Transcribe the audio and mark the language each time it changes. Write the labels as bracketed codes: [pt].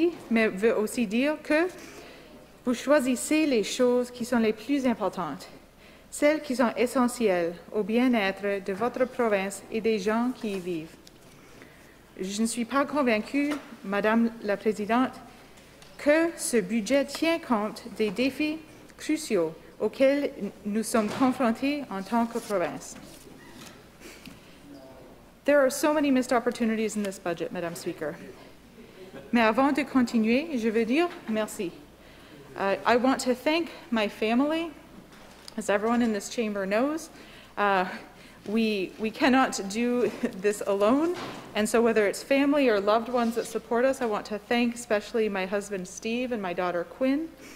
[fr] Mais veut aussi dire que vous choisissez les choses qui sont les plus importantes, celles qui sont essentielles au bien-être de votre province et des gens qui y vivent. Je ne suis pas convaincue, Madame la Présidente, que ce budget tient compte des défis cruciaux auxquels nous sommes confrontés en tant que province. [en] There are so many missed opportunities in this budget, Madame Speaker. [fr] Mais avant de continuer, je veux dire merci. [en] I want to thank my family. As everyone in this chamber knows, we cannot do this alone. And so whether it's family or loved ones that support us, I want to thank especially my husband Steve and my daughter Quinn.